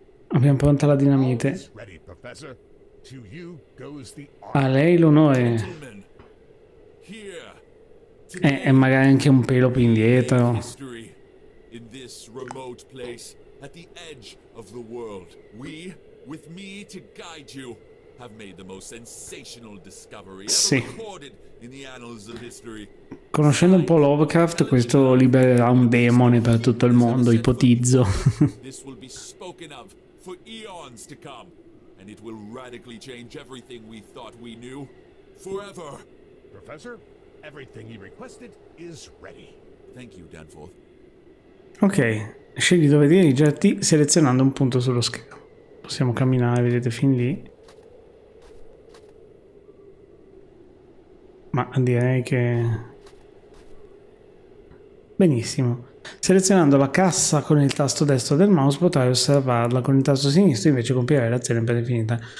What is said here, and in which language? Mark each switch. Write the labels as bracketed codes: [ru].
[it] Abbiamo pronta la dinamite. A lei l'onore. E magari anche un pelo più indietro. In questo remoto posto, all'edge del mondo, [en] with me to guide you, have made the most sensational discovery ever recorded in the annals of history. [it] Conoscendo un po' Lovecraft, questo libererà un demone per tutto il mondo, ipotizzo. [en] This will be spoken of for eons to come, and it will radically change everything we thought we knew forever. Professor, everything you requested is ready. Thank you, Danforth. [it] Ok, scegli dove dirigerti selezionando un punto sullo schermo. Possiamo camminare, vedete, fin lì. Ma direi che... Benissimo. Selezionando la cassa con il tasto destro del mouse potrai osservarla, con il tasto sinistro invece compierai l'azione predefinita.